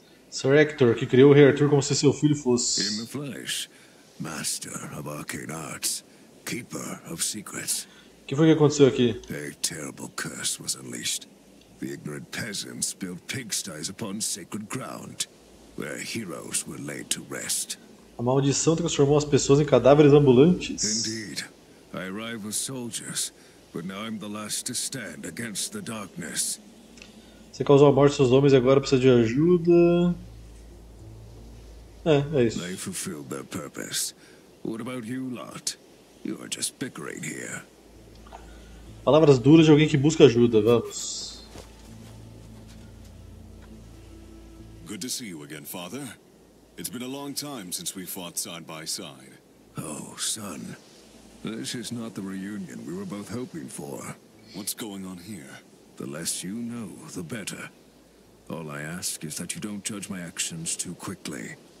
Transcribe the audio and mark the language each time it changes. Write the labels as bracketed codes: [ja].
[pt] Sir Hector, que criou o Rei Arthur como se seu filho fosse. [en] In the flesh, master of arcane arts, keeper of secrets. [pt] Que foi que aconteceu aqui? [en] A terrible curse was unleashed. The ignorant peasants built pigsties upon sacred ground, where heroes were laid to rest. [pt] A maldição transformou as pessoas em cadáveres ambulantes. [en] Indeed, I arrived with soldiers, but now I'm the last to stand against the darkness. [pt] Você causou a morte dos seus homens e agora precisa de ajuda. É isso. [en] They fulfilled their purpose. What about you lot? You are just bickering here. [pt] Palavras duras de alguém que busca ajuda, vamos. [en] Good to see you again, father. It's been a long time since we fought side by side. Oh, son. This is not the reunion we were both hoping for. What's going on here? The less you know, the better. All I ask is that you don't judge my actions too quickly.